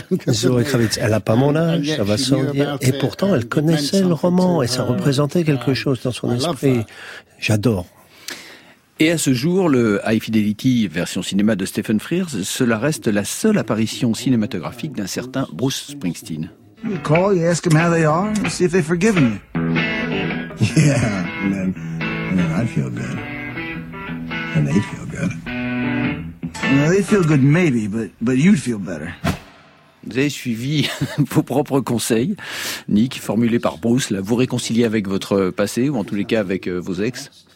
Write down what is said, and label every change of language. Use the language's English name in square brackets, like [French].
[French] Zoé Kravitz, elle n'a pas mon âge, ça va sans dire. Et pourtant, elle connaissait le roman et ça représentait quelque chose dans son esprit. J'adore. Et à ce jour, le High Fidelity version cinéma de Stephen Frears, cela reste la seule apparition cinématographique d'un certain Bruce Springsteen. [English] You call, you ask them how they are, and see if they've forgiven you. Yeah, and then I feel good. And they feel good. Well, they feel good maybe, but you'd feel better. [French] Vous avez suivi vos propres conseils, Nick, formulés par Bruce, là, vous réconcilier avec votre passé, ou en tous les cas avec vos ex.